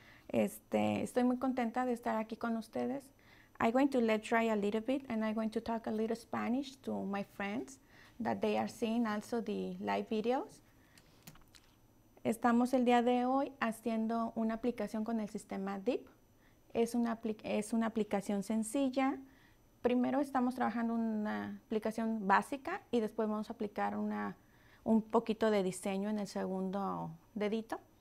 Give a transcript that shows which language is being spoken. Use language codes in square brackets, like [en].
[es] Estoy muy contenta de estar aquí con ustedes. [en] I'm going to let try a little bit, and I'm going to talk a little Spanish to my friends that they are seeing also the live videos. [es] Estamos el día de hoy haciendo una aplicación con el sistema DIP. Es una aplicación sencilla. Primero estamos trabajando una aplicación básica y después vamos a aplicar un poquito de diseño en el segundo dedito.